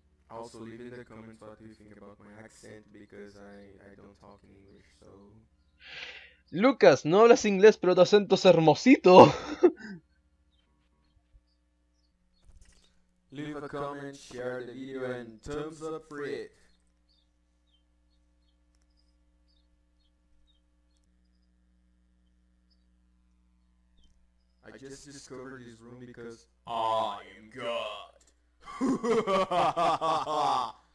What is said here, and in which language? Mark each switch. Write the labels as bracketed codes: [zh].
[en] Also, leave in the comments what you think about my accent because I don't talk in English, so. [es] Lucas, no hablas inglés, pero tu acento es hermosito. [en] Leave a comment, share the video, and thumbs up for it. I just discovered this room because I am God.